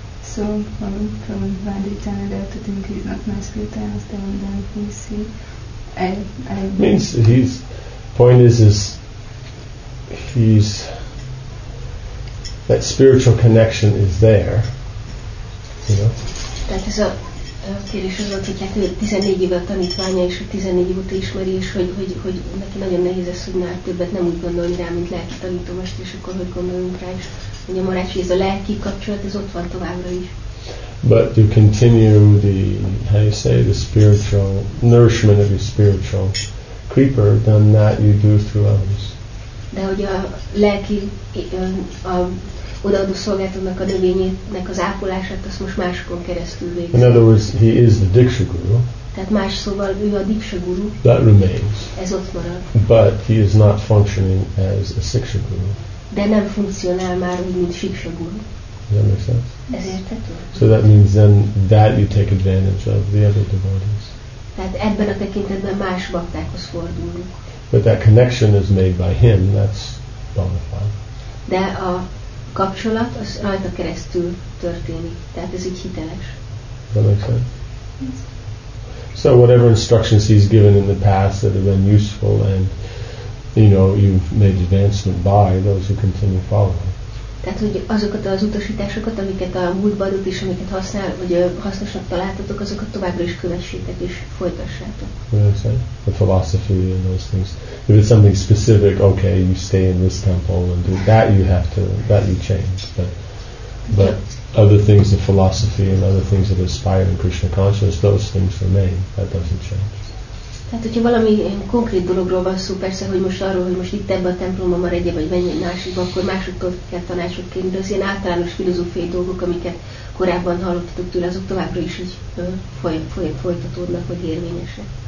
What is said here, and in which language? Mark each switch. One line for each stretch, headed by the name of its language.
English: So from one day to another to think he's not my spiritual master, and then we see. Means his point is he's that spiritual connection is there, you know.
Hungarian: Tehát ez a kérdés az volt, hogy hát ő 14 éve a tanítványa, és hogy 14 éve óta ismeri, és hogy neki nagyon nehéz ez, hogy már többet nem úgy gondolni rá, mint lelki tanítomest, és akkor hogy gondolunk rá is. Ugye Marácsi, ez a lelki kapcsolat, ez ott van továbbra is.
English: But you continue the, how you say, the spiritual nourishment of your spiritual creeper, then that you do through others.
Hungarian: De hogy a lelki, a odaadó szolgáltatónak a növényének az ápolását, azt most másokon keresztül végzik.
English: In other words, he is the Diksha Guru.
Hungarian: Tehát más szóval, ő a Diksha Guru.
English: That remains.
Hungarian: Ez ott marad.
English: But he is not functioning as a Siksha Guru.
Hungarian: De nem funkcionál már úgy, mint Siksha Guru.
English: Does that make sense?
Hungarian: Ez érthető.
English: So that means then that you take advantage of the other devotees.
Hungarian: Tehát ebben a tekintetben más baktákhoz fordulunk.
English: But that connection is made by him, that's bona fide.
Hungarian: De a kapcsolat az rajta keresztül történik, tehát ez így hiteles.
English: That makes sense. So whatever instructions he's given in the past that have been useful and you know you've made advancement by, those who continue following.
Hungarian: Tehát hogy azokat az utasításokat, amiket a múltban adott és amiket használ, vagy hasznosnak találtatok, azokat továbbra is kövessétek és folytassátok.
English: The philosophy and those things. If it's something specific, okay, you stay in this temple and do that, you have to, that you change. But other things, the philosophy and other things that aspire in Krishna consciousness, those things remain. That doesn't change.
Hungarian: Tehát, hogyha valami konkrét dologról van szó, persze, hogy most arról, hogy most itt ebben a templomban maradj-e, vagy menj egy másikba, akkor másoktól kell tanácsot kérni, de az ilyen általános filozófiai dolgok, amiket korábban hallottatok tőle, azok továbbra is így folytatódnak, vagy érvényesek.